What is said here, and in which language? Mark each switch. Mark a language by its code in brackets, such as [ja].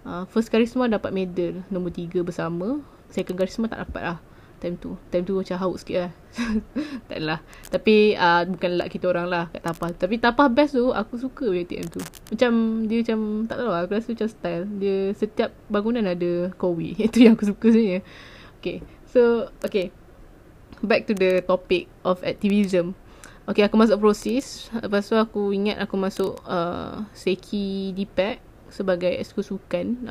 [ms] First Karisma dapat medal nombor 3 bersama. Second Karisma tak dapat lah time tu macam haut sikit lah. Tak lah, tapi bukan luck kita orang lah kat Tapah. Tapi Tapah best tu, aku suka UiTM tu. Macam dia macam, tak tahu lah, aku rasa macam style dia, setiap bangunan ada kowi. Itu yang aku suka sebenarnya. [en] Okay, so okay, back to the topic of activism. [ms] Okay, aku masuk proses. Lepas tu aku ingat aku masuk Seki DPEC sebagai esko sukan.